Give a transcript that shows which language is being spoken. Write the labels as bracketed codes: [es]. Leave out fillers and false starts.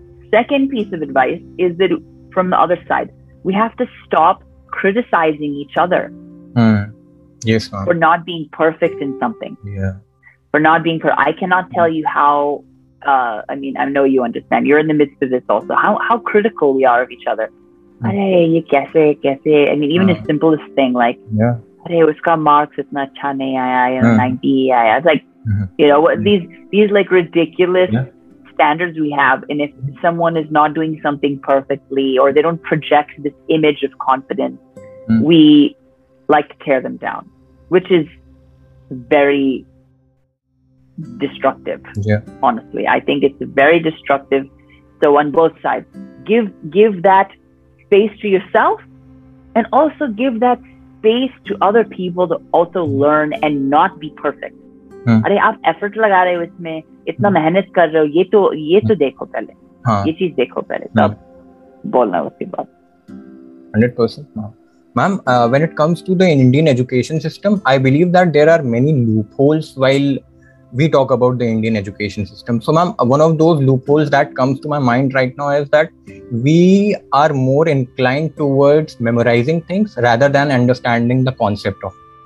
[en] Second piece of advice is that from the other side, we have to stop criticizing each other. Yes, ma'am. For not being perfect in something. Yeah. For not being perfect. I cannot tell you how, I know you understand. You're in the midst of this also. How critical we are of each other. [hi] अरे, ये कैसे. [en] I mean, even the simplest thing, like, [hi] अरे, उसका marks इतना अच्छा नहीं आया, 90 आया. [en] It's like, these like ridiculous standards we have. And if someone is not doing something perfectly, or they don't project this image of confidence, we like to tear them down, which is very destructive. Yeah. Honestly, I think it's very destructive. So on both sides, give that space to yourself, and also give that space to other people to also learn and not be perfect. [hi] अरे आप effort लगा रहे हो इसमें, इतना मेहनत कर रहे हो, ये तो देखो पहले, ये चीज देखो पहले, तब बोलना उसके बाद [en] 100% ma'am, when it comes to the Indian education system, I believe that there are many loopholes while we talk about the Indian education system. So ma'am, one of those loopholes that comes to my mind right now is that we are more inclined towards memorizing things rather than understanding the concept of it.